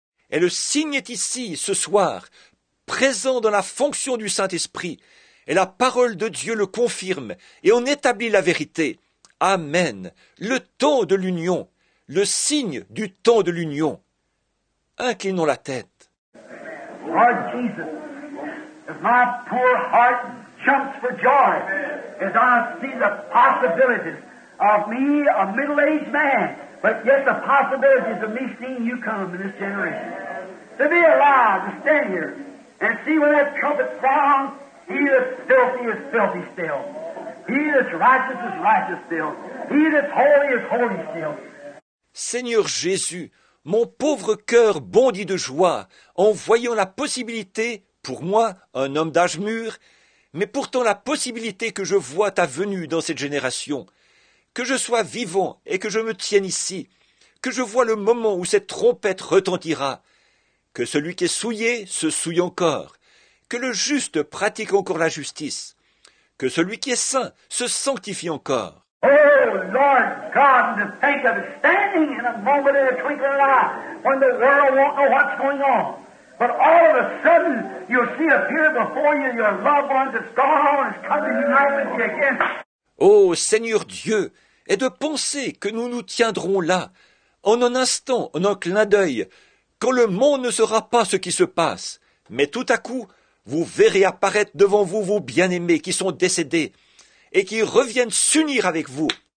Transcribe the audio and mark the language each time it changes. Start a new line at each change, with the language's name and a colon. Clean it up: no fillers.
French: Et le signe est ici, ce soir, présent dans la fonction du Saint-Esprit. Et la parole de Dieu le confirme, et on établit la vérité. Amen. Le temps de l'union, le signe du temps de l'union. Inclinons la tête.
English: Lord Jesus. As my poor heart jumps for joy, as I see the possibilities of me, a middle-aged man, but yet the possibilities of me seeing you come in this generation. To be alive, to stand here, and see when that trumpet sounds, he that's filthy is filthy still. He that's righteous is righteous still. He that's holy is holy still.
French: Seigneur Jésus, mon pauvre cœur bondit de joie en voyant la possibilité pour moi, un homme d'âge mûr, mais pourtant la possibilité que je vois ta venue dans cette génération, que je sois vivant et que je me tienne ici, que je vois le moment où cette trompette retentira, que celui qui est souillé se souille encore, que le juste pratique encore la justice, que celui qui est saint se sanctifie encore.
English: Oh, Lord God, to think of standing in a moment in a twinkling of an eye when the world won't know what's going on. But all of a sudden, you'll see appear before you your loved ones that's gone on and is coming to unite with you again.
French: Oh, Seigneur Dieu, et de penser que nous nous tiendrons là, en un instant, en un clin d'œil, quand le monde ne saura pas ce qui se passe, mais tout à coup, vous verrez apparaître devant vous vos bien-aimés qui sont décédés et qui reviennent s'unir avec vous.